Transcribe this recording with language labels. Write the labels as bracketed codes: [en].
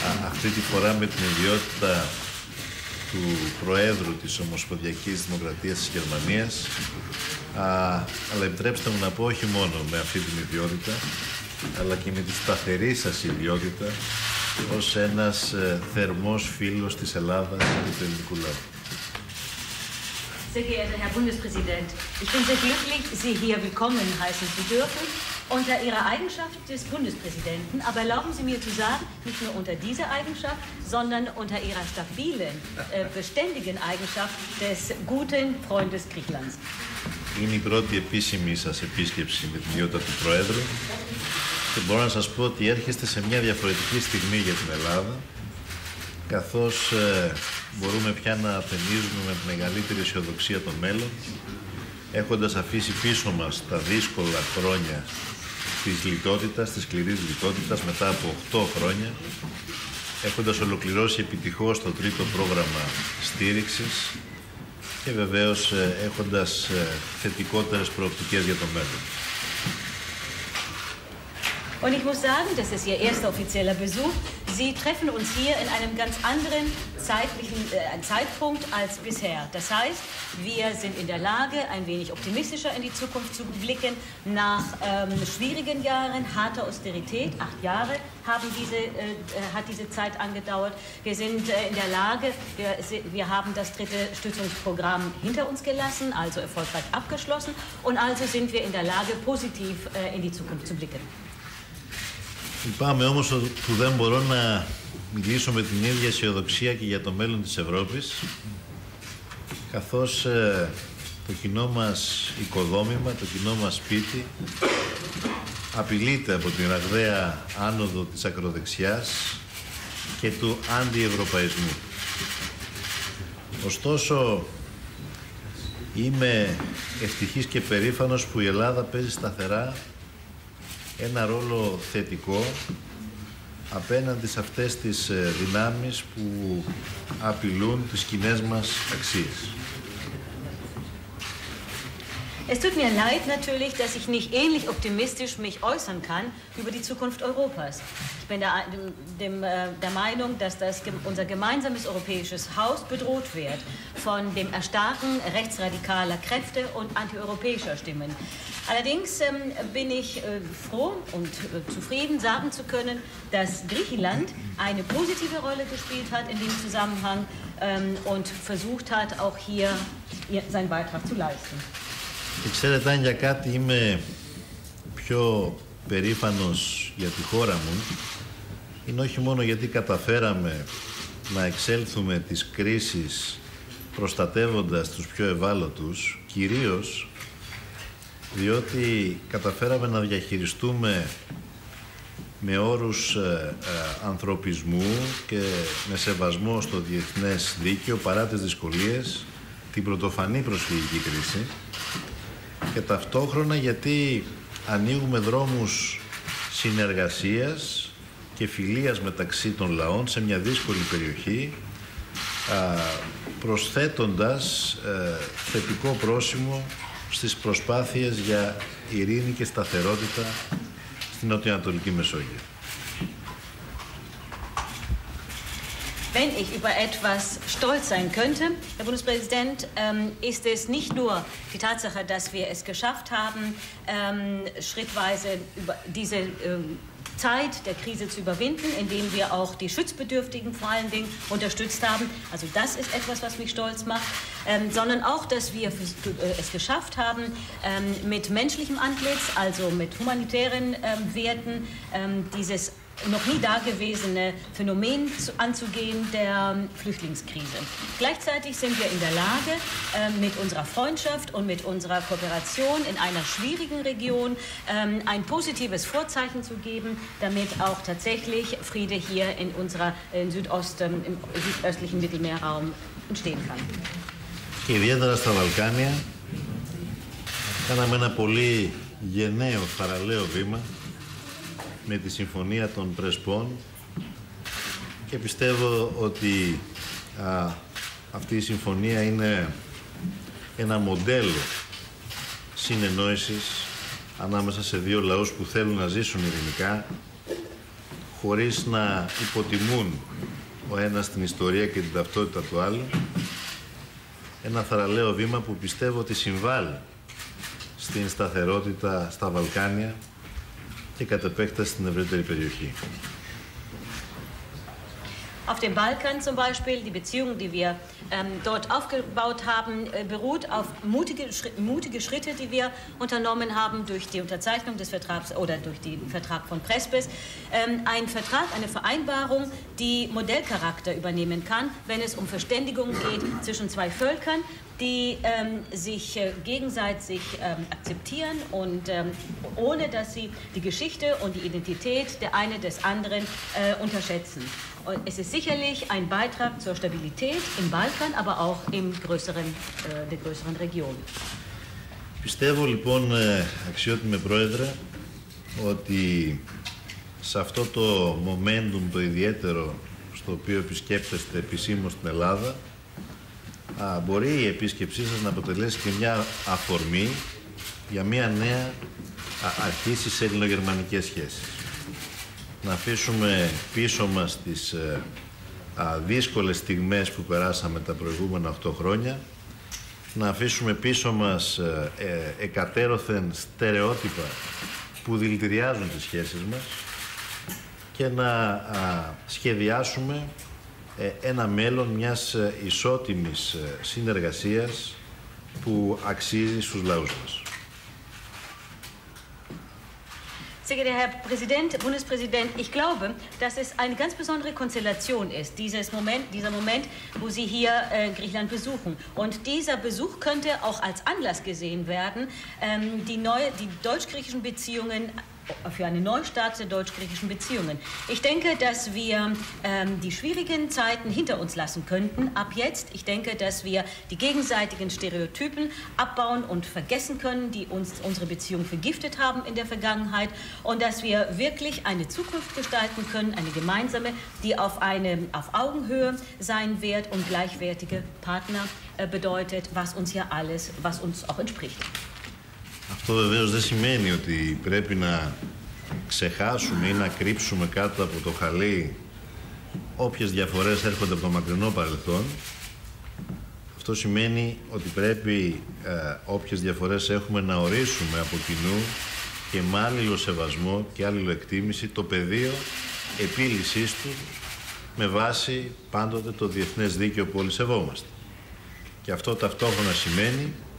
[el] Αυτή τη φορά με την ιδιότητα του Προέδρου της Ομοσπονδιακής Δημοκρατίας της Γερμανίας. Αλλά επιτρέψτε μου να πω όχι μόνο με αυτή την ιδιότητα, αλλά και με τη σταθερή σας ιδιότητα ως ένας θερμός φίλος της Ελλάδας και του ελληνικού λαού. [de] Sehr geehrter Herr Bundespräsident, ich bin sehr glücklich, Sie hier willkommen heißen zu dürfen, unter Ihrer Eigenschaft des Bundespräsidenten. Aber erlauben Sie mir zu sagen, nicht nur unter dieser Eigenschaft, sondern unter Ihrer stabilen, beständigen Eigenschaft des guten Freundes Griechenlands. [el] Είναι η πρώτη επίσημη σας επίσκεψη με την ιδιότητα του Προέδρου. Και μπορώ να σας πω ότι έρχεστε σε μια διαφορετική στιγμή για την Ελλάδα. Καθώς μπορούμε πια να ταινίζουμε με τη μεγαλύτερη αισιοδοξία το μέλλον, έχοντας αφήσει πίσω μας τα δύσκολα χρόνια της λιτότητας, της σκληρής λιτότητας, μετά από 8 χρόνια, έχοντας ολοκληρώσει επιτυχώς το τρίτο πρόγραμμα στήριξης και βεβαίως έχοντας θετικότερες προοπτικές για το μέλλον. [de] Und ich muss sagen, das ist Ihr erster offizieller Besuch. Sie treffen uns hier in einem ganz anderen zeitlichen Zeitpunkt als bisher. Das heißt, wir sind in der Lage, ein wenig optimistischer in die Zukunft zu blicken. Nach schwierigen Jahren, harter Austerität, 8 Jahre haben hat diese Zeit angedauert. Wir sind in der Lage, wir haben das dritte Stützungsprogramm hinter uns gelassen, also erfolgreich abgeschlossen. Und also sind wir in der Lage, positiv in die Zukunft zu blicken. [el] Λυπάμαι όμως που δεν μπορώ να μιλήσω με την ίδια αισιοδοξία και για το μέλλον της Ευρώπης, καθώς το κοινό μας οικοδόμημα, το κοινό μας σπίτι, απειλείται από την ραγδαία άνοδο της ακροδεξιάς και του αντιευρωπαϊσμού. Ωστόσο, είμαι ευτυχής και περήφανος που η Ελλάδα παίζει σταθερά ένα ρόλο θετικό απέναντι σε αυτές τις δυνάμεις που απειλούν τις κοινές μας αξίες. [de] Es tut mir leid natürlich, dass ich nicht ähnlich optimistisch mich äußern kann über die Zukunft Europas. Ich bin der Meinung, dass das unser gemeinsames europäisches Haus bedroht wird von dem Erstarken rechtsradikaler Kräfte und antieuropäischer Stimmen. Allerdings bin ich froh und zufrieden, sagen zu können, dass Griechenland eine positive Rolle gespielt hat in dem Zusammenhang und versucht hat, auch hier seinen Beitrag zu leisten. [el] Και ξέρετε, αν για κάτι είμαι πιο περήφανος για τη χώρα μου, είναι όχι μόνο γιατί καταφέραμε να εξέλθουμε της κρίσης προστατεύοντας τους πιο ευάλωτους, κυρίως διότι καταφέραμε να διαχειριστούμε με όρους ανθρωπισμού και με σεβασμό στο διεθνές δίκαιο, παρά τις δυσκολίες, την πρωτοφανή προσφυγική κρίση, και ταυτόχρονα γιατί ανοίγουμε δρόμους συνεργασίας και φιλίας μεταξύ των λαών σε μια δύσκολη περιοχή, προσθέτοντας θετικό πρόσημο στις προσπάθειες για ειρήνη και σταθερότητα στην Νοτιοανατολική Μεσόγειο. [de] Wenn ich über etwas stolz sein könnte, Herr Bundespräsident, ist es nicht nur die Tatsache, dass wir es geschafft haben, schrittweise über diese Zeit der Krise zu überwinden, indem wir auch die Schutzbedürftigen vor allen Dingen unterstützt haben. Also das ist etwas, was mich stolz macht. Sondern auch, dass wir es geschafft haben, mit menschlichem Antlitz, also mit humanitären Werten, dieses noch nie dagewesene Phänomen anzugehen der Flüchtlingskrise. Gleichzeitig sind wir in der Lage, mit unserer Freundschaft und mit unserer Kooperation in einer schwierigen Region ein positives Vorzeichen zu geben, damit auch tatsächlich Friede hier in unserer im südöstlichen Mittelmeerraum entstehen kann. [el] Ιδιαίτερα στα Βαλκάνια, κάναμε ένα πολύ γενναίο, θαραλέο βήμα με τη Συμφωνία των Πρεσπών και πιστεύω ότι αυτή η συμφωνία είναι ένα μοντέλο συνεννόησης ανάμεσα σε δύο λαούς που θέλουν να ζήσουν ειρηνικά, χωρίς να υποτιμούν ο ένας την ιστορία και την ταυτότητα του άλλου. Ένα θαραλέο βήμα που πιστεύω ότι συμβάλλει στην σταθερότητα στα Βαλκάνια και κατ' επέκταση στην ευρύτερη περιοχή. [de] Auf dem Balkan zum Beispiel, die Beziehung, die wir dort aufgebaut haben, beruht auf mutige Schritte, die wir unternommen haben durch die Unterzeichnung des Vertrags oder durch den Vertrag von Prespes. Ein Vertrag, eine Vereinbarung, die Modellcharakter übernehmen kann, wenn es um Verständigung geht zwischen zwei Völkern, die sich gegenseitig akzeptieren und ohne dass sie die Geschichte und die Identität der eine des anderen unterschätzen. Und es ist sicherlich ein Beitrag zur Stabilität im Balkan, aber auch im größeren, der größeren Region. [el] Πιστεύω λοιπόν, αξιότιμε Πρόεδρε, ότι σε αυτό το momentum το ιδιαίτερο στο οποίο επισκέπτεστε επισήμως στην Ελλάδα, μπορεί η επίσκεψή σας να αποτελέσει και μια αφορμή για μια νέα αρχή στις ελληνογερμανικές σχέσεις. Να αφήσουμε πίσω μας τις δύσκολες στιγμές που περάσαμε τα προηγούμενα 8 χρόνια, να αφήσουμε πίσω μας εκατέρωθεν στερεότυπα που δηλητηριάζουν τις σχέσεις μας και να σχεδιάσουμε ένα μέλλον μιας ισότιμης συνεργασίας που αξίζει στους λαούς μας. [de] Sehr geehrter Herr Präsident, Bundespräsident, ich glaube, dass es eine ganz besondere Konstellation ist, dieser Moment, wo Sie hier Griechenland besuchen. Und dieser Besuch könnte auch als Anlass gesehen werden, die deutsch-griechischen Beziehungen für einen Neustart der deutsch-griechischen Beziehungen. Ich denke, dass wir die schwierigen Zeiten hinter uns lassen könnten ab jetzt. Ich denke, dass wir die gegenseitigen Stereotypen abbauen und vergessen können, die uns unsere Beziehung vergiftet haben in der Vergangenheit, und dass wir wirklich eine Zukunft gestalten können, eine gemeinsame, die auf Augenhöhe sein wird und gleichwertige Partner bedeutet, was uns auch entspricht. [el] Αυτό βεβαίως δεν σημαίνει ότι πρέπει να ξεχάσουμε ή να κρύψουμε κάτω από το χαλί όποιες διαφορές έρχονται από το μακρινό παρελθόν. Αυτό σημαίνει ότι πρέπει όποιες διαφορές έχουμε να ορίσουμε από κοινού και με άλληλο σεβασμό και άλληλο εκτίμηση το πεδίο επίλυσής του με βάση πάντοτε το διεθνές δίκαιο που όλοι σεβόμαστε. Και αυτό ταυτόχρονα σημαίνει